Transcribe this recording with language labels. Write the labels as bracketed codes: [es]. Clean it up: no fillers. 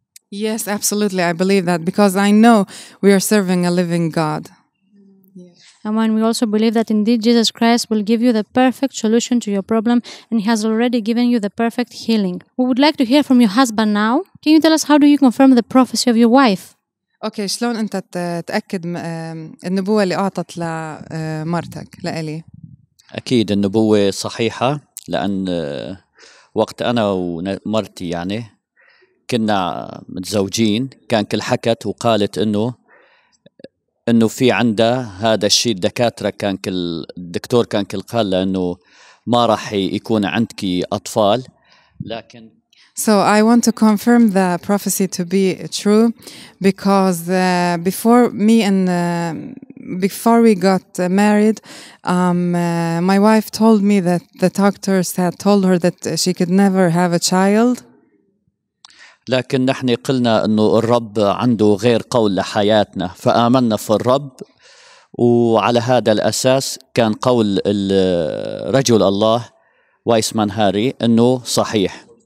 [en] Yes, absolutely. I believe that because I know we are serving a living God. And when we also believe that indeed Jesus Christ will give you the perfect solution to your problem and He has already given you the perfect healing. We would like to hear from your husband now. Can you tell us how do you confirm the prophecy of your wife? [ar] Okay, شلون أنت تأكد النبوة اللي أعطت لمرتك لإلي؟ أكيد النبوة صحيحة لأن وقت أنا ومرتي يعني كنا متزوجين كان كل حكت وقالت إنه في عنده هذا الشيء الدكاترة كان كل الدكتور كان كل قال لأنه ما راح يكون عندك أطفال لكن [en] So I want to confirm the prophecy to be true because before we got married, my wife told me that the doctors had told her that she could never have a child. [ar] لكن نحن قلنا انه الرب عنده غير قول لحياتنا فآمنا في الرب وعلى هذا الأساس كان قول الرجل الله وايسمان هاري انه صحيح.